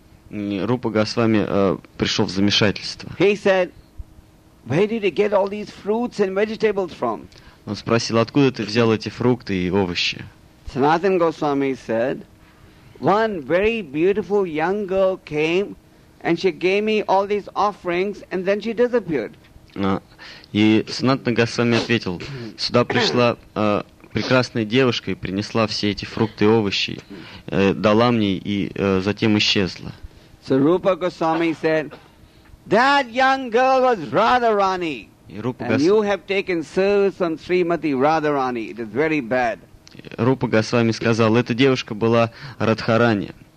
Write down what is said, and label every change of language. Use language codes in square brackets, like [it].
[ru] Рупа Госвами пришел в замешательство. [en] He said, "Where did you get all these fruits and vegetables from?" [ru] Он спросил, откуда ты взял эти фрукты и овощи. [en] Sanatan Goswami said, "One very beautiful young girl came, and she gave me all these offerings, and then she disappeared." [ru] И Санатана Госвами ответил: "Сюда пришла прекрасная девушка и принесла все эти фрукты и овощи, дала мне и затем исчезла." [en] So Rupa Goswami said, "That young girl was Radharani, and you have taken service on Srimati Radharani. It is very bad." [ru] Рупа Госвами сказал: "Эта девушка была Радхарани."